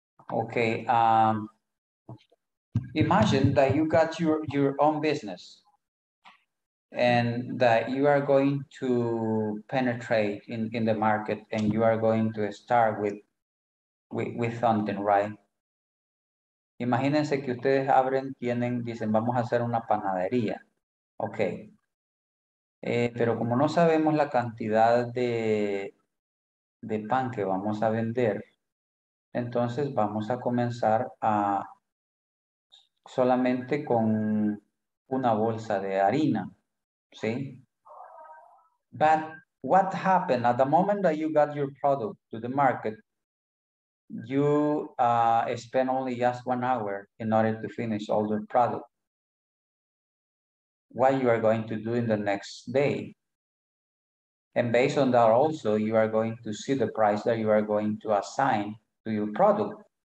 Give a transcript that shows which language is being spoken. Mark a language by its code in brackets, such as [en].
[en] Okay, imagine that you got your own business and that you are going to penetrate in the market and you are going to start with something, right? [es] Imagínense que ustedes abren, tienen, dicen, vamos a hacer una panadería. Okay, pero como no sabemos la cantidad de pan que vamos a vender, entonces vamos a comenzar a solamente con una bolsa de harina, ¿sí? [en] But what happened at the moment that you got your product to the market, you spent only just 1 hour in order to finish all the product. What you are going to do in the next day? And based on that also, you are going to see the price that you are going to assign your product.